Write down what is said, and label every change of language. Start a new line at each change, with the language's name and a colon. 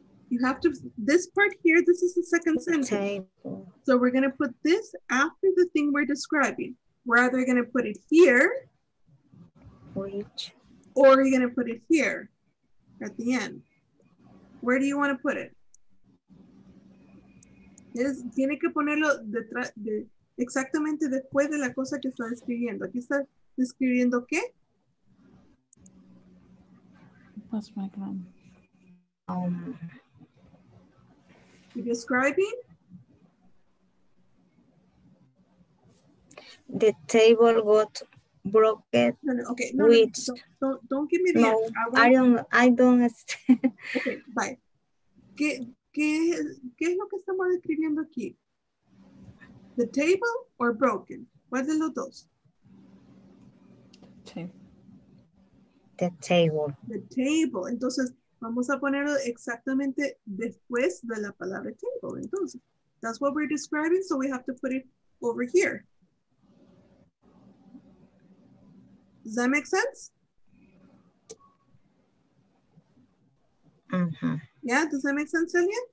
English: You have to, this part here, this is the second sentence. Table. So we're going to put this after the thing we're describing. We're either going to put it here. Which? Or you're going to put it here at the end. Where do you want to put it?
Spanish: Tiene que ponerlo exactamente después de la cosa que está describiendo. Aquí está describiendo qué?
English: What's my plan? You're describing? The table got broken. Don't give me the answer. I don't understand. Okay, bye.
Spanish: ¿Qué es lo que estamos describiendo aquí?
English: The table or broken?
Spanish: ¿Cuál de los dos?
English: The table.
Spanish: Entonces, vamos a ponerlo exactamente después de la palabra table. Entonces,
English: that's what we're describing, so we have to put it over here. Does that make sense? Mm-hmm. Yeah, does that make sense, Celia?